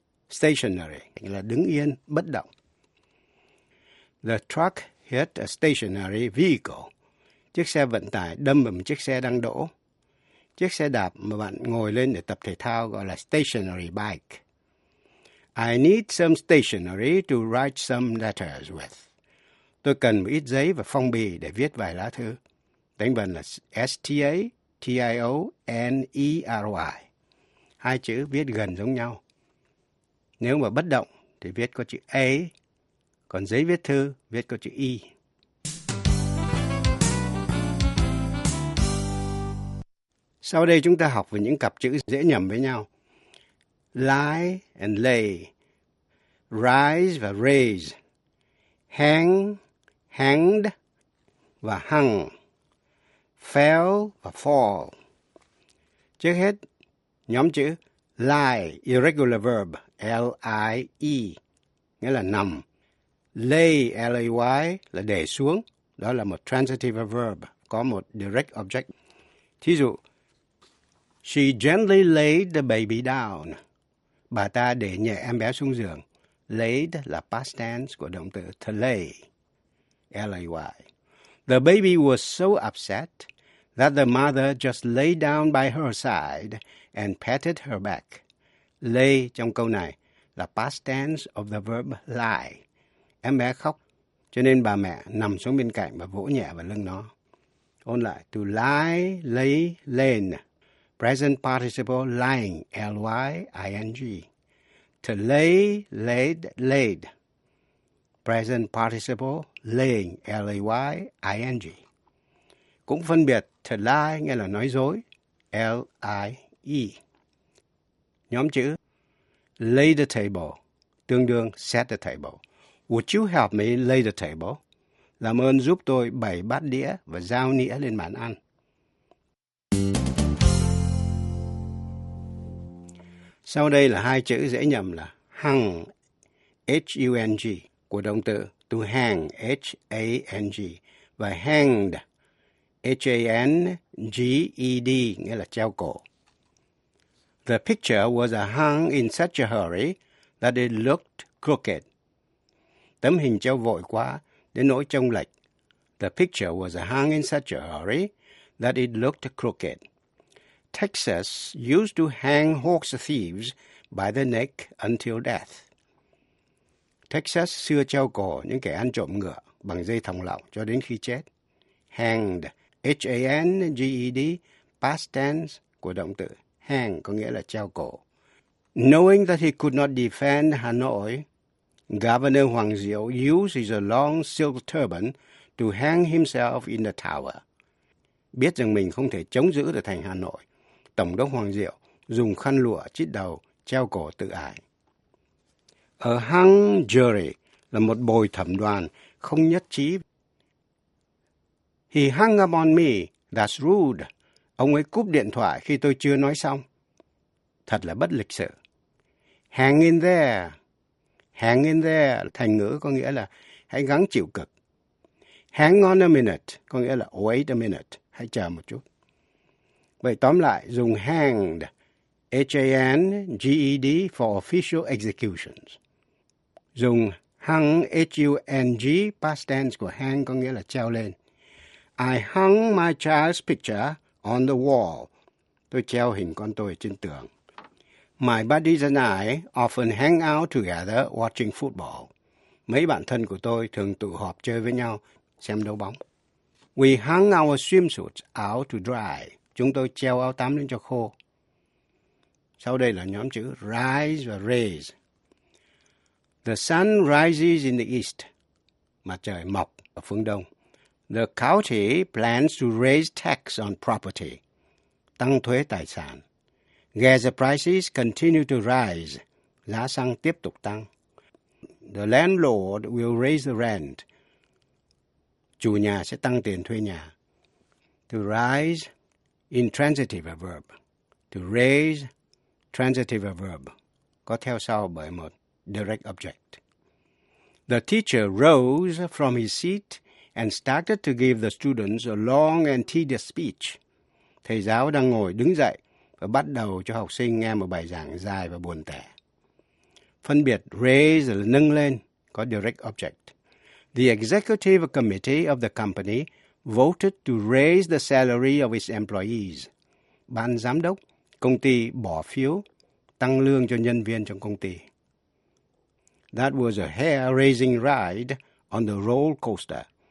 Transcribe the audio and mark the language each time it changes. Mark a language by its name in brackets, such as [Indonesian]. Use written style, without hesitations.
[English] Stationary, [Vietnamese] nghĩa là đứng yên, bất động. [English] The truck hit a stationary vehicle. [Vietnamese] Chiếc xe vận tải đâm vào một chiếc xe đang đỗ. Chiếc xe đạp mà bạn ngồi lên để tập thể thao gọi là stationary bike. [English] I need some stationery to write some letters with. [Vietnamese] Tôi cần một ít giấy và phong bì để viết vài lá thư. Đánh vần là S-T-A-T-I-O-N-E-R-Y. Hai chữ viết gần giống nhau. Nếu mà bất động thì viết có chữ A. Còn giấy viết thư viết có chữ Y. Sau đây chúng ta học về những cặp chữ dễ nhầm với nhau. [English] Lie and lay. Rise và raise. Hang, hanged và hung. Fell và fall. [Vietnamese] Trước hết, nhóm chữ lie, irregular verb, L-I-E, nghĩa là nằm. Lay, L-A-Y, là để xuống. Đó là một transitive verb, có một direct object. Thí dụ, [English] she gently laid the baby down. [Vietnamese] Bà ta để nhẹ em bé xuống giường. Laid là past tense của động từ to lay, L-A-Y. [English] The baby was so upset that the mother just lay down by her side and patted her back. Lay [Vietnamese] trong câu này là [English] past tense of the verb lie. [Vietnamese] Em bé khóc, cho nên bà mẹ nằm xuống bên cạnh và vỗ nhẹ vào lưng nó. Ôn lại, [English] to lie, lay, lain. Present participle, lying, L-Y-I-N-G. To lay, laid, laid. Present participle, laying, L-A-Y-I-N-G. [Vietnamese] Cũng phân biệt, to lie nghĩa là nói dối, L-I-E. Nhóm chữ, [English] lay the table, [Vietnamese] tương đương [English] set the table. Would you help me lay the table? [Vietnamese] Làm ơn giúp tôi bày bát đĩa và dao nĩa lên bàn ăn. Sau đây là hai chữ dễ nhầm là hung, H-U-N-G, của động từ to hang, H-A-N-G, và hanged, H-A-N-G-E-D, nghĩa là treo cổ. [English] The picture was hung in such a hurry that it looked crooked. [Vietnamese] Tấm hình treo vội quá, đến nỗi trông lệch. [English] The picture was hung in such a hurry that it looked crooked. Texas used to hang hawk thieves by the neck until death. [Vietnamese] Texas xưa treo cổ những kẻ ăn trộm ngựa bằng dây thòng lọng cho đến khi chết. Hanged, H-A-N-G-E-D, past tense của động từ. Hang có nghĩa là treo cổ. [English] Knowing that he could not defend Hanoi, Governor Hoàng Diệu used his long silk turban to hang himself in the tower. [Vietnamese] Biết rằng mình không thể chống giữ được thành Hà Nội, Tổng đốc Hoàng Diệu dùng khăn lụa chít đầu treo cổ tự ải. [English] A hung jury [Vietnamese] là một bồi thẩm đoàn không nhất trí. [English] He hung up on me, that's rude. [Vietnamese] Ông ấy cúp điện thoại khi tôi chưa nói xong. Thật là bất lịch sự. [English] Hang in there. Hang in there, [Vietnamese] thành ngữ có nghĩa là hãy gắng chịu cực. [English] Hang on a minute, [Vietnamese] có nghĩa là [English] wait a minute, [Vietnamese] hãy chờ một chút. Vậy tóm lại, dùng hanged, H-A-N-G-E-D [English] for official executions. [Vietnamese] Dùng hung, H-U-N-G, past tense của hang có nghĩa là treo lên. [English] I hung my child's picture on the wall. [Vietnamese] Tôi treo hình con tôi trên tường. [English] My buddies and I often hang out together watching football. [Vietnamese] Mấy bạn thân của tôi thường tụ họp chơi với nhau, xem đấu bóng. [English] We hung our swimsuits out to dry. [Vietnamese] Chúng tôi treo áo tắm lên cho khô. Sau đây là nhóm chữ [English] rise và raise. The sun rises in the east. [Vietnamese] Mặt trời mọc ở phương đông. [English] The county plans to raise tax on property. [Vietnamese] Tăng thuế tài sản. [English] Gas prices continue to rise. [Vietnamese] Giá xăng tiếp tục tăng. [English] The landlord will raise the rent. [Vietnamese] Chủ nhà sẽ tăng tiền thuê nhà. [English] To rise, intransitive verb. To raise, transitive verb. [Vietnamese] Có theo sau bởi một [English] direct object. The teacher rose from his seat and started to give the students a long and tedious speech. [Vietnamese] Thầy giáo đang ngồi đứng dậy và bắt đầu cho học sinh nghe một bài giảng dài và buồn tẻ. Phân biệt raise là nâng lên, có direct object. [English] The executive committee of the company voted to raise the salary of its employees. [Vietnamese] Ban giám đốc, công ty bỏ phiếu, tăng lương cho nhân viên trong công ty. [English] That was a hair-raising ride on the roller coaster.